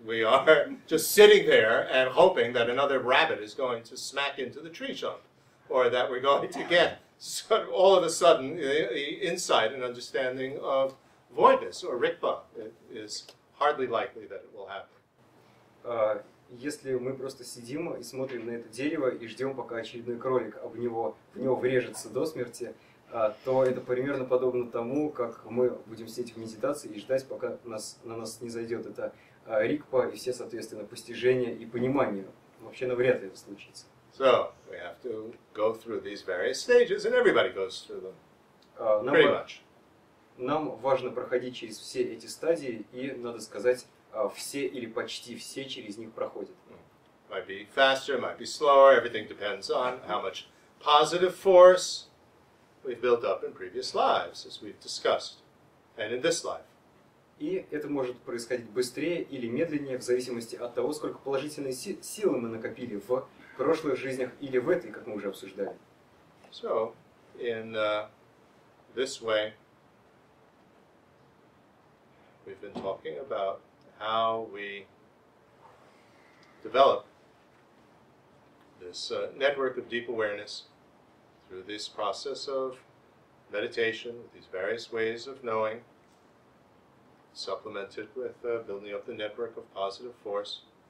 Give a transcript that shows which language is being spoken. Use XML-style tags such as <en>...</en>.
<en>We are just sitting there and hoping that another rabbit is going to smack into the tree stump, or that we're going to get sort of all of a sudden the insight and understanding of voidness or rikpa. It is hardly likely that it will happen.</en> <ru>Если мы просто сидим и смотрим на это дерево и ждем, пока очередной кролик в него врежется до смерти, то это примерно подобно тому, как мы будем сидеть в медитации и ждать, пока на нас не зайдет это рикпа и все, соответственно, постижения и понимания. Вообще, навряд ли это случится.</ru> <en>So, we have to go through these various stages, and everybody goes through them.</en> <ru>Нам важно проходить через все эти стадии, и, надо сказать, все или почти все через них проходят.</ru> <en>Might be faster, might be slower, everything depends on how much positive force we've built up in previous lives, as we've discussed, and in this life.</en> <ru>И это может происходить быстрее или медленнее, в зависимости от того, сколько положительной силы мы накопили в прошлых жизнях или в этой, как мы уже обсуждали.</ru> <en>So, in this way, we've been talking about how we develop this network of deep awareness through this process of meditation, with these various ways of knowing, supplemented with building up the network of positive force.</en>